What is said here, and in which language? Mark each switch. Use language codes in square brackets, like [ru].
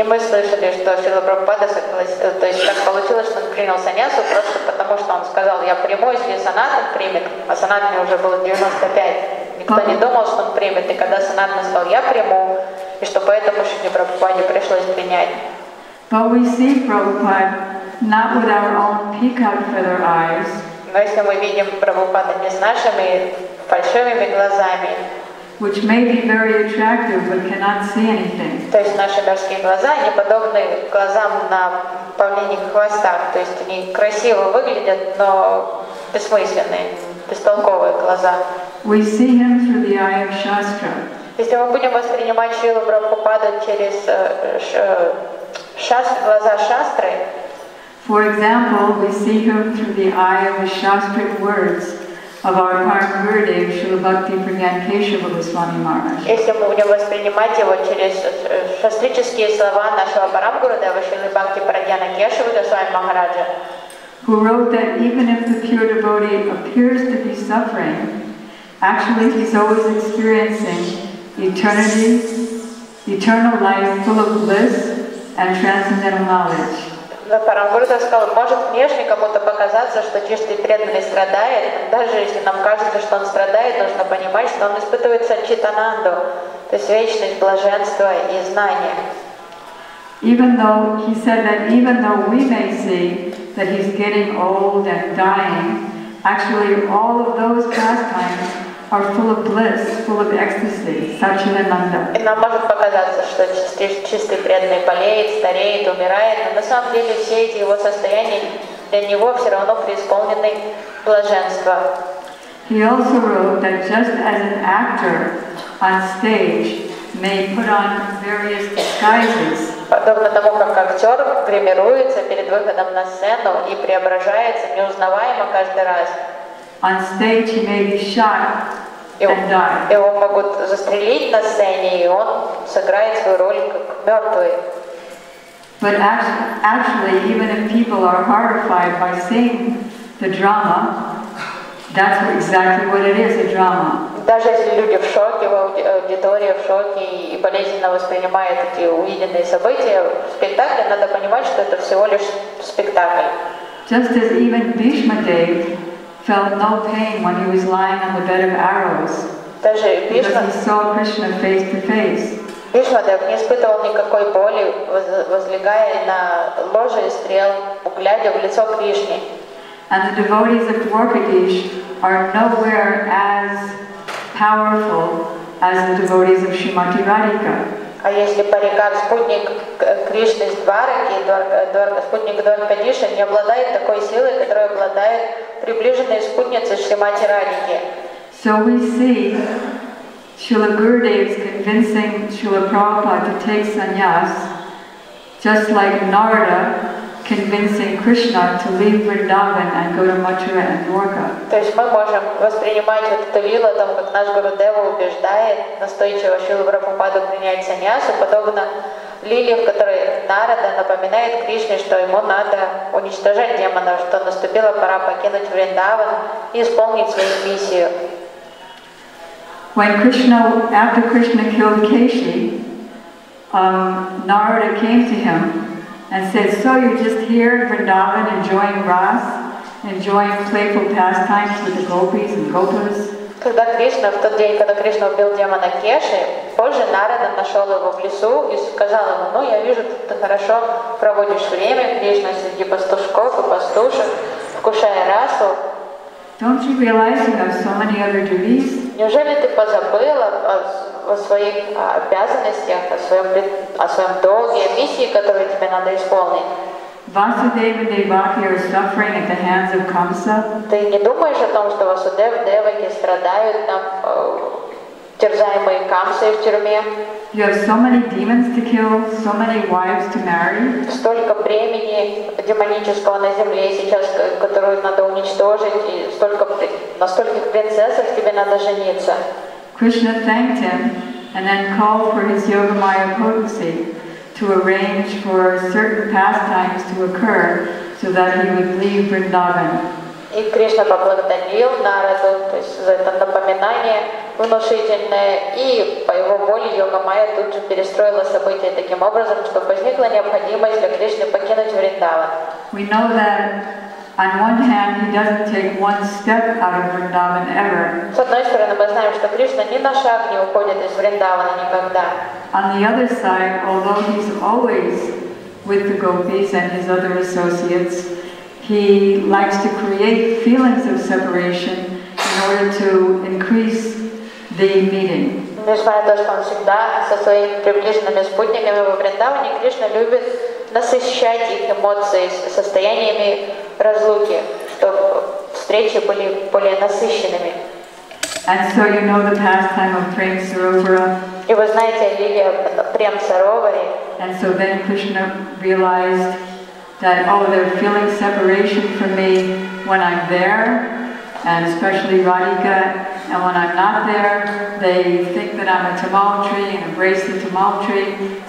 [ru] И мы слышали, что Шрила Прабхупада согласился, то есть так получилось, что он принял саньясу просто потому, что он сказал, "Я приму, если Санатан примет." А Санатан уже было 95. Никто не думал, что он примет, и когда Санатан сказал, "Я приму," и что поэтому Шриле Прабхупаде пришлось принять. [en] But we see Prabhupada not with our own peacock feather eyes. [ru] Но если мы видим Прабхупаду не с нашими фальшивыми глазами, [en] which may be very attractive, but cannot see anything. [ru] То есть наши мирские глаза не подобны глазам на павлиньих хвостах. То есть они красиво выглядят, но бессмысленные, бестолковые глаза. [en] We see him through the eye of Shastra. [ru] Если мы будем воспринимать Шрилу Прабхупаду через глаза Шастры, [en] for example, we see him through the eye of the Shastric words of our Parama Gurudev, Srila Bhakti Pragyan Keshava Goswami Maharaj. [ru] Если мы будем воспринимать его через шастрические слова нашего Парама Гурудева, Шрилы Бхакти Прагьяна Кешавы Госвами Махараджа, [en] who wrote that even if the pure devotee appears to be suffering, actually he's always experiencing eternity, eternal life full of bliss and transcendental knowledge. [ru] Да, Парамгурда сказал, может внешне кому-то показаться, что чистый преданный страдает, даже если нам кажется, что он страдает, нужно понимать, что он испытывает сачитананду, то есть вечность, блаженство и знание. [en] Even though he said that even though we may see that he's getting old and dying, actually all of those pastimes are full of bliss, full of ecstasy, Satchinananda. [ru] И нам может показаться, что чистый преданный болеет, стареет, умирает, но на самом деле все эти его состояния для него все равно преисполнены блаженства. [en] He also wrote that just as an actor on stage may put on various disguises. [ru] Подобно тому, как актер гримируется перед выходом на сцену и преображается неузнаваемо каждый раз. [en] On stage he may be shot and die. [ru] Его могут застрелить на сцене, и он сыграет свою роль как мертвый. [en] But actually, even if people are horrified by seeing the drama, that's exactly what it is—a drama. [ru] Даже если люди в шоке, аудитория в шоке и болезненно воспринимает эти увиденные события в спектакле, надо понимать, что это всего лишь спектакль. [en] Just as even Bhishma Dev felt no pain when he was lying on the bed of arrows, because he saw Krishna face to face. [ru] Бхишма Дев не испытывал никакой боли, возлегая на ложе из стрел, глядя в лицо Кришне. [en] And the devotees of Dwarkadish are nowhere as powerful as the devotees of Srimati Radhika. [ru] А если Парикар, спутник Кришны из Двараки, спутник Дваркадиша, не обладает такой силой, которой обладает приближенная спутница Шримати Радхики. [en] So we see Srila Gurudev is convincing Srila Prabhupada to take sannyas, just like Narada convincing Krishna to leave Vrindavan and go to Mathura and Dwarka. [ru] То есть мы можем воспринимать вот эту лилу, там, как наш Гурудева убеждает настойчиво Шрилу Прабхупаду принять саньясу, подобно лилии, в которой Нарада напоминает Кришне, что ему надо уничтожать демонов, что наступила пора покинуть Вриндаван и исполнить свою миссию. [en] When Krishna, after Krishna killed Keshi, Narada came to him and said, "So you're just here in Vrindavan enjoying Ras, enjoying playful pastimes with the gopis and gopas?" [ru] Когда Кришна в тот день, когда Кришна убил демона Кеши, позже Нарада нашел его в лесу и сказал ему: "Ну, я вижу, ты хорошо проводишь время, Кришна, среди пастушков и пастушек, вкушая расу. [en] Don't you realize you have so many other duties?" [ru] Неужели ты позабыла о своих обязанностях, о своем долге, о миссии, которую тебе надо исполнить? [en] Vasudeva Devaki are suffering at the hands of Kamsa. [ru] Ты не думаешь о том, что Васудева Деваки страдают там, терзаемые Камсой в тюрьме? [en] You have so many demons to kill, so many wives to marry. [ru] Столько бремени демонического на земле сейчас, которую надо уничтожить, и настольких принцессов тебе надо жениться. [en] Krishna thanked him and then called for his Yogamaya potency to arrange for certain pastimes to occur so that he would leave Vrindavan. [ru] И Кришна поблагодарил Нараду, то есть за это напоминание внушительное, и по его воле Йогамайя тут же перестроила события таким образом, что возникла необходимость для Кришны покинуть Вриндаван. [en] We know that on one hand he doesn't take one step out of Vrindavan ever. [ru] С одной стороны, мы знаем, что Кришна ни на шаг не уходит из Вриндавана никогда. [en] On the other side, although he's always with the gopis and his other associates, he likes to create feelings of separation in order to increase the meeting. [ru] Несмотря на то, что он всегда со своими приближенными спутниками во Вриндаване, Кришна любит насыщать их эмоции состояниями разлуки, чтобы встречи были более насыщенными. [en] And so you know the pastime of Prem Sarovara. [ru] И вы знаете о лиле Прем Сароваре. [en] And so then Krishna realized that, oh, they're feeling separation from me when I'm there, and especially Radhika, and when I'm not there, they think that I'm a tamal tree and embrace the tamal tree.